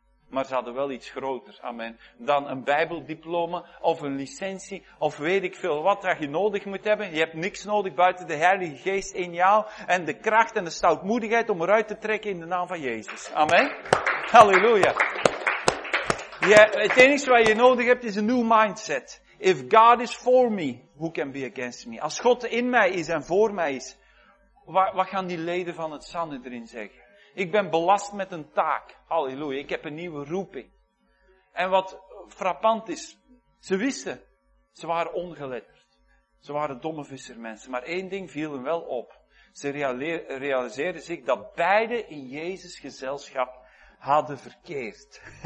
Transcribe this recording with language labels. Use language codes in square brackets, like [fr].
[nl] Maar ze hadden wel iets groter, amen, dan een bijbeldiploma of een licentie of weet ik veel wat dat je nodig moet hebben. Je hebt niks nodig buiten de Heilige Geest in jou en de kracht en de stoutmoedigheid om eruit te trekken in de naam van Jezus. Amen. Halleluja. Het enige wat je nodig hebt is een nieuw mindset. [en] If God is for me, who can be against me? [nl] Als God in mij is en voor mij is, wat gaan die leden van het Sanhedrin zeggen? Ik ben belast met een taak. Halleluja, ik heb een nieuwe roeping. En wat frappant is, ze wisten, ze waren ongeletterd. Ze waren domme vissermensen. Maar één ding viel hem wel op. Ze realiseerden zich dat beide in Jezus' gezelschap hadden verkeerd.